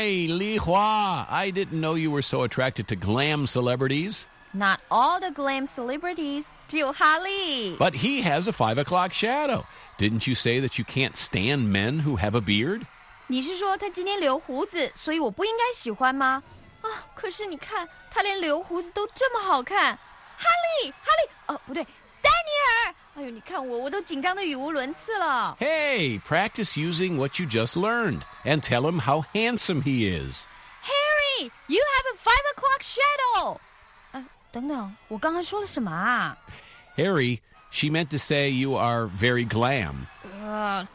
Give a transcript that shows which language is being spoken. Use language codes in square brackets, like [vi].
[en] 李华， I didn't know you were so attracted to glam celebrities. Not all the glam celebrities, [zh] 只有哈利。 [en] But he has a 5 o'clock shadow. Didn't you say that you can't stand men who have a beard? [zh] 你是说他今天留胡子，所以我不应该喜欢吗？啊，可是你看，他连留胡子都这么好看。哈利，哈利，哦，不对，丹尼尔。哎呦，你看我，我都紧张的语无伦次了。Hey, [en] practice using what you just learned and tell him how handsome he is. Harry, you have a 5 o'clock shadow. [zh] 等等，我刚刚说了什么啊？ [en] Harry, she meant to say you are very glam.